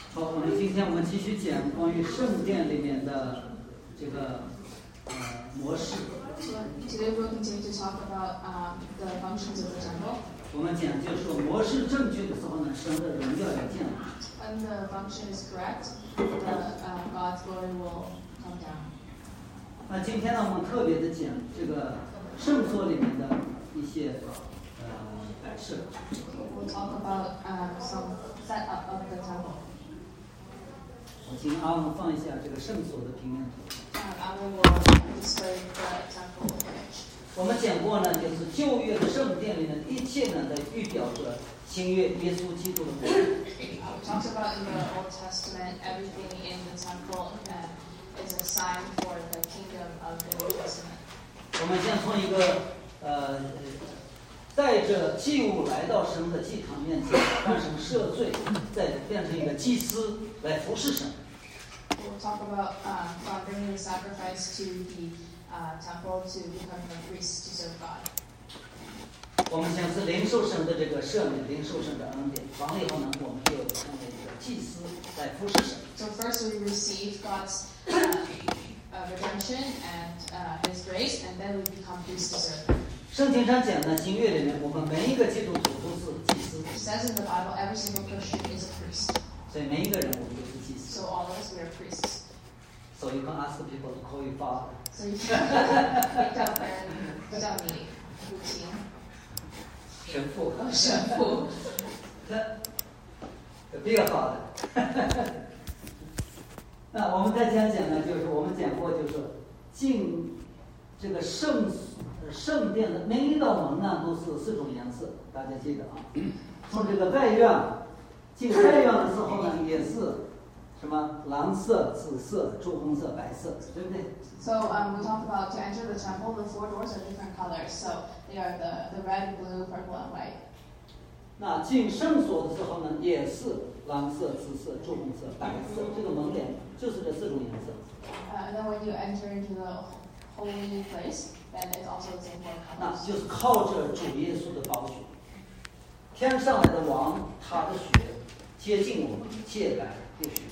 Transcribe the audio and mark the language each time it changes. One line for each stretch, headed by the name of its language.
Chinese: 好，我们今天我们继续讲关于圣殿里面的这个模式。
English: Today we're continuing to talk about the functions of the temple.
Chinese: 我们讲就是模式正确的时候呢，神的荣耀要降临。
English: When the function is correct, God's glory will come down.
Chinese: 那今天呢，我们特别的讲这个圣所里面的一些摆设。
English: We'll talk about some setup of the temple.
Chinese: 我请阿文放一下这个圣所的平面图。
English: 阿文，
Chinese: 我
English: display the temple image。
Chinese: 我们讲过呢，就是旧约的圣殿里的一切呢，在预表着新约耶稣基督的国。
English: Talked about in the Old Testament, everything in the temple is a sign for the kingdom of the New Testament。
Chinese: 我们先从一个带着祭物来到神的祭坛面前，让神赦罪，再变成一个祭司来服侍神。
English: We'll talk about bringing the sacrifice to the temple to become a priest to serve God.
Chinese: 我们先是领受神的这个赦免，领受神的恩典，完了以后呢，我们就成为一个祭司来服侍神。
English: So first we receive God's redemption and His grace, and then we become priests to serve.
Chinese: 圣经上讲的新约里面，我们每一个基督徒都是祭司。
English: It says in the Bible, every single Christian is a priest.
Chinese: 所以每一个人我们都是祭司。
English: So all of us we are priests. So you can ask people to call you father. So you can pick up and put up me, 父亲。
Chinese: 神父。神父。
English: The big father.
Chinese: 那我们再讲讲呢，就是我们讲过，就是敬这个圣所。圣殿的每一道门呢，都是四种颜色，大家记得啊。从这个外院进外院的时候呢，也是什么蓝色、紫色、朱红色、白色，对不对
English: ？So we talk about to enter the temple, the four doors are different colors. So they are the red, blue, purple, and white.
Chinese: 那进圣所的时候呢，也是蓝色、紫色、朱红色、白色，这个门脸就是这四种颜色。
English: Then when you enter into the holy place. And it's also the same for the cross.
Chinese: 那就是靠着主耶稣的宝血，天上来的王，他的血接近我们，借来的血。